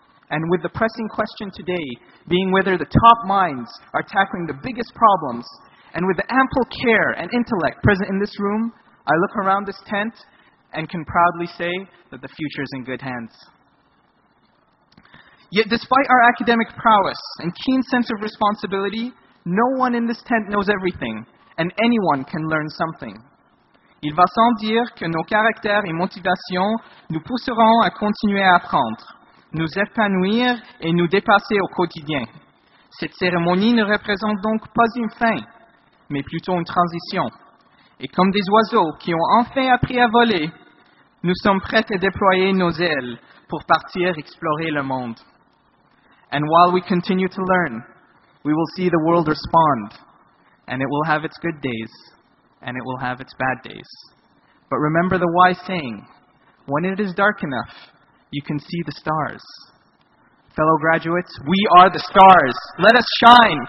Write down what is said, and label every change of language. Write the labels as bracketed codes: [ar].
[en] And with the pressing question today being whether the top minds are tackling the biggest problems, and with the ample care and intellect present in this room, I look around this tent and can proudly say that the future is in good hands. Yet despite our academic prowess and keen sense of responsibility, no one in this tent knows everything, and anyone can learn something. [fr] Il va sans dire que nos caractères et motivations nous pousseront à continuer à apprendre, nous épanouir et nous dépasser au quotidien. Cette cérémonie ne représente donc pas une fin, mais plutôt une transition. Et comme des oiseaux qui ont enfin appris à voler, nous sommes prêts à déployer nos ailes pour partir explorer le monde. [en] And while we continue to learn, we will see the world respond, and it will have its good days. And it will have its bad days. But remember the wise saying, when it is dark enough, you can see the stars. Fellow graduates, we are the stars. Let us shine.